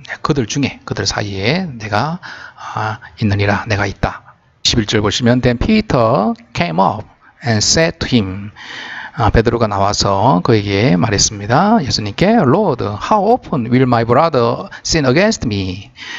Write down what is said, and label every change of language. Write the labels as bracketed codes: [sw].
[ko] 그들 중에, 그들 사이에 내가 있느니라. 내가 있다. 11절 보시면, [en] then Peter came up and said to him. [ko] 베드로가 나와서 그에게 말했습니다. 예수님께, [en] Lord, how often will my brother sin against me?